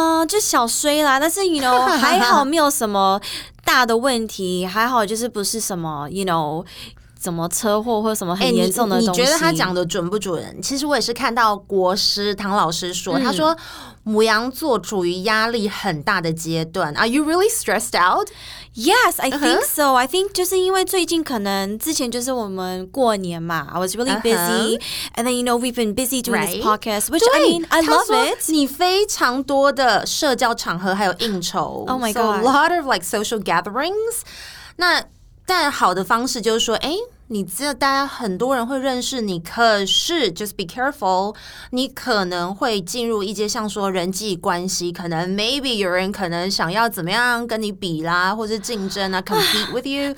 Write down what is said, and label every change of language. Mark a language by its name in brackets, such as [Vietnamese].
[Chinese] 就小衰啦。但是 [English] you know [Chinese] 还好没有什么大的问题，还好就是不是什么 you know。怎么车祸或什么很严重的东西、你觉得他讲的准不准？其实我也是看到国师唐老师说、他说牡羊座处于压力很大的阶段。 [English] Are you really stressed out? Yes, I think so. I think [Chinese] 就是因为最近可能之前就是我们过年嘛， [English] I was really busy、and then you know we've been busy doing、this podcast, which I mean I love it. [Chinese] 你非常多的社交场合还有应酬。 [English] Oh my god, so a lot of like social gatherings. [Chinese] 那但好的方式就是说，哎，你知道大家很多人会认识你，可是 [English] just be careful, [Chinese] 你可能会进入一些像说人际关系，可能 [English] maybe [Chinese] 有人可能想要怎么样跟你比啦，或是竞争啊 [English] compete with you.